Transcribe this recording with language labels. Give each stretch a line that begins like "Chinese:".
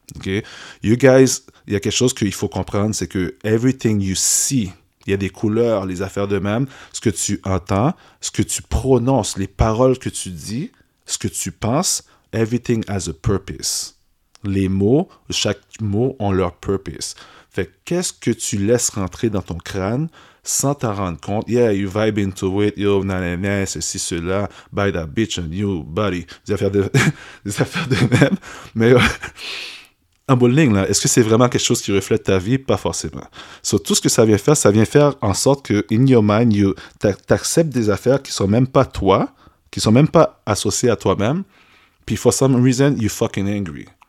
French: Okay?
English: You guys,
French: il y a quelque chose qu'il faut comprendre, c'est que
English: everything you see,
French: il y a des couleurs, les affaires de même, ce que tu entends, ce que tu prononces, les paroles que tu dis, ce que tu penses,
English: everything has a purpose.
French: Les mots, chaque mot ont leur purpose. Fait qu'est-ce que tu laisses rentrer dans ton crâne sans t'en rendre compte?
English: Yeah, you vibe into it, yo, nanana,
French: ceci, cela,
English: buy that bitch and you, buddy.
French: Des affaires de même, mais. En bout de ligne, là, est-ce que c'est vraiment quelque chose qui reflète ta vie? Pas forcément. So, tout ce que ça vient faire en sorte que,
English: in your mind,
French: t'acceptes des affaires qui sont même pas toi, qui sont même pas associées à toi-même, puis
English: for some reason, you're fucking angry.